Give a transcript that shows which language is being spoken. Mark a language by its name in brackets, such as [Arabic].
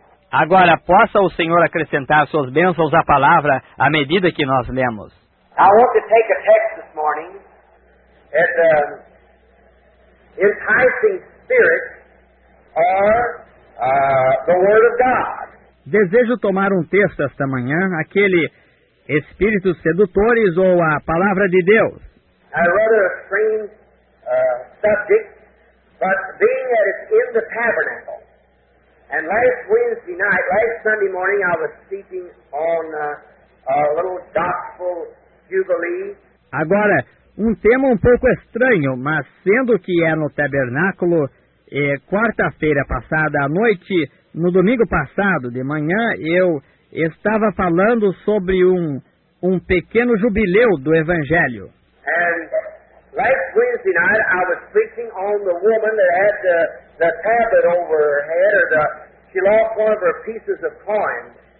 [Portuguese] Agora, possa o Senhor acrescentar suas bênçãos à palavra à medida que nós lemos. [English] I want to take a text this morning, as an enticing spirit, or the Word of God. [Portuguese] Desejo tomar um texto esta manhã, aquele Espíritos sedutores ou a palavra de Deus. [English] A rather strange subject, but being that it's in the tabernacle. And last Wednesday night, last Sunday morning, I was speaking on a little gospel jubilee. [Portuguese] Agora, um tema um pouco estranho, mas sendo que é no tabernáculo, quarta-feira passada à noite, no domingo passado de manhã, eu estava falando sobre um pequeno jubileu do Evangelho. [English] And last Wednesday night I was speaking on the woman that had the tablet over her head, or she lost one of her pieces of coin,